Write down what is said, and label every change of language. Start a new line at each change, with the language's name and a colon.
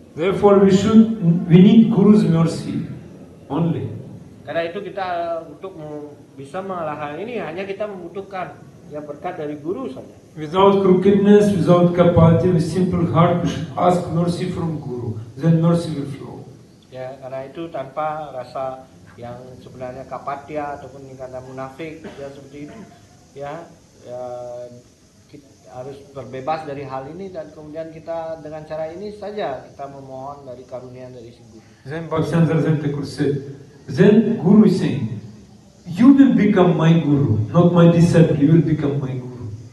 English: Therefore we need guru's mercy only.
Indonesian: Karena itu kita untuk bisa mengalahkan ini hanya kita membutuhkan ya berkat dari guru saja.
English: Without crookedness, without kapati, with simple heart, we should ask mercy from guru. Then mercy will flow.
Indonesian: Ya, karena itu tanpa rasa yang sebenarnya kapatia ataupun karena munafik ya seperti itu ya, ya kita harus terbebas dari hal ini dan kemudian kita dengan cara ini saja kita memohon dari karunia dari si guru.
English: Zen Bhaktisiddhanta Thakur said, Zen guru is saying, you will become my guru, not my disciple, you will become my guru.